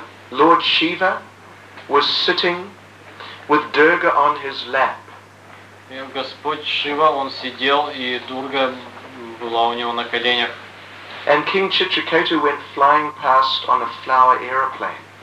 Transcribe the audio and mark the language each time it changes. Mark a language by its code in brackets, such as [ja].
[en] Lord Shiva was sitting with Durga on his lap. [ru] И Господь Шива, он сидел, и Дурга была у него на коленях. [en] And King Chitraketu went flying past on a flower aeroplane.